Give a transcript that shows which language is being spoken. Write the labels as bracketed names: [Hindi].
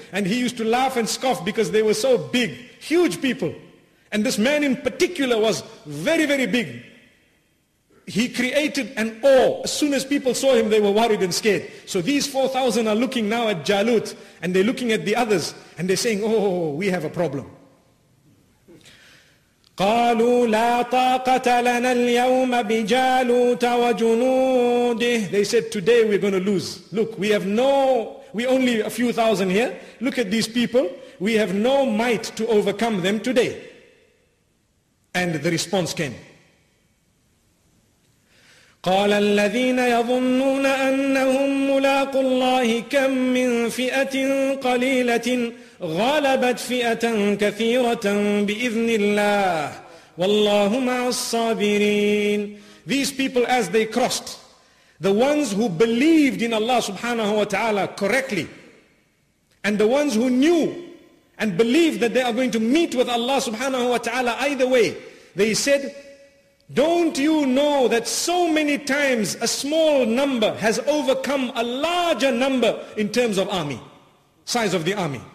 [English] And he used to laugh and scoff because they were so big, huge people. And this man in particular was very, very big. He created an awe. As soon as people saw him, they were worried and scared. So these 4,000 are looking now at Jalut and they're looking at the others and they're saying, oh, we have a problem. [Arabic] قالوا لا طاقة لنا اليوم بجالوت وجنوده. [English] They said, today we're going to lose. Look, we only a few thousand here. Look at these people. We have no might to overcome them today. And the response came. [Arabic] قال الذين يظنون أنهم ملاقوا الله كم من فئة قليلة غلبت فئة كثيرة بإذن الله والله مع الصابرين. [English] These people, as they crossed, the ones who believed in Allah subhanahu wa ta'ala correctly, and the ones who knew and believed that they are going to meet with Allah subhanahu wa ta'ala either way, they said, don't you know that so many times a small number has overcome a larger number in terms of army, size of the army?